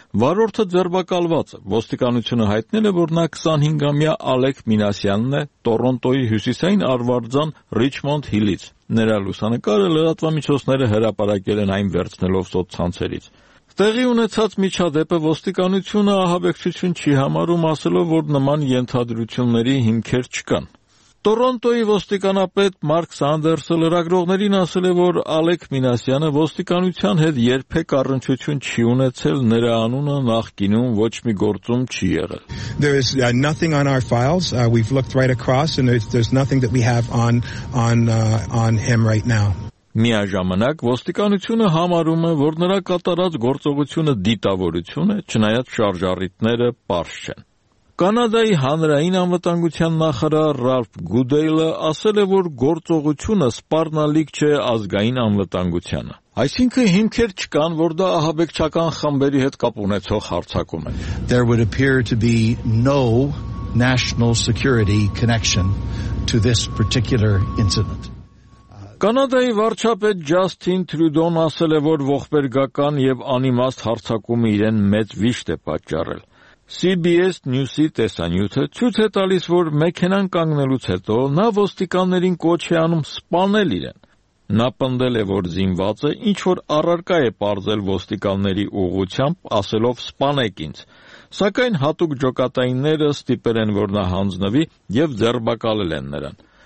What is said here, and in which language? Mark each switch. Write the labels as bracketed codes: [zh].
[hy] Վարորդը ձերբակալված է։ Ոստիկանությունը հայտնել է, որ նա 25-ամյա Ալեք Մինասյանն է, Տորոնտոյի հյուսիսային արվարձան Ռիչմոնդ Հիլից։ Նրա լուսանկարը լրատվամիջոցները հրապարակել են այն վերցնելով սոցցանցերից։ Տեղի ունեցած միջադեպը ոստիկանությունը ահաբեկչություն չի համարում, ասելով, որ նման ենթադրությունների հիմքեր չկան։ Տորոնտոյի ոստիկանապետ Մարկ Սանդերսը լրագրողներին ասել է, որ Ալեք Մինասյանը ոստիկանության հետ երբեք առնչություն չի ունեցել, նրա անունը նախկինում ոչ մի գործում չի եղել։ [en] There is nothing on our files. We've looked right across and there's nothing that we have on him right now. [hy] Միաժամանակ ոստիկանությունը համարում է, որ նրա կատարած գործողությունը դիտավորություն է, չնայած շարժառիթները պարզ չեն։ Կանադայի հանրային անվտանգության նախարար Ռալֆ Գուդեյլը ասել է, որ գործողությունը սպառնալիք չէ ազգային անվտանգությանը։ Այսինքն հիմքեր չկան, որ դա ահաբեկչական խմբերի հետ կապ ունեցող հարցակում է։ [en] There would appear to be no national security connection to this particular incident. [hy] Կանադայի վարչապետ Ջասթին Թրյուդոն ասել է, որ ողբերգական եւ անիմաստ հարցակումը իրեն մեծ վիշտ է պատճառել։ CBS News-ի տեսանյութը ցույց է տալիս, որ մեքենան կանգնելուց հետո նա ոստիկաններին կոչ է անում սպանել իրեն։ Նա պնդել է, որ զինվածը ինչ որ առարկա է պարզել ոստիկանների ուղղությամբ, ասելով «սպանեք ինձ»։ Սակայն հատուկ ջոկատայինները ստիպել են, որ նա հանձնվի եւ ձերբակալել են նրան։